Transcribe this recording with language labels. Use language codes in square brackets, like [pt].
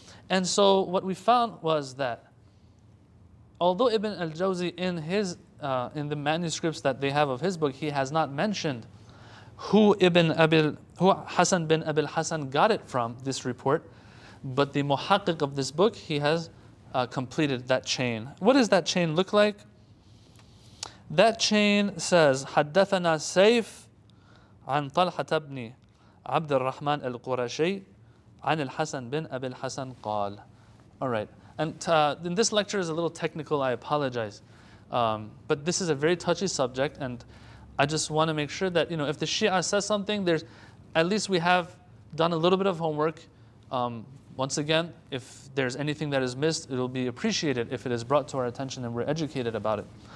[en] And so what we found was that although Ibn al-Jawzi in his in the manuscripts that they have of his book, he has not mentioned who Hassan bin Abi al-Hasan got it from, this report, but the muhakkik of this book, he has completed that chain. What does that chain look like? That chain says, [ar] حدثنا سيف عن طلحة بن عبد الرحمن القرشي عن الحسن بن أبي الحسن قال. [en] All right. And then this lecture is a little technical, I apologize. But this is a very touchy subject, and I just want to make sure that, you know, if the Shia says something, there's at least we have done a little bit of homework. Once again, if there's anything that is missed, it'll be appreciated if it is brought to our attention and we're educated about it.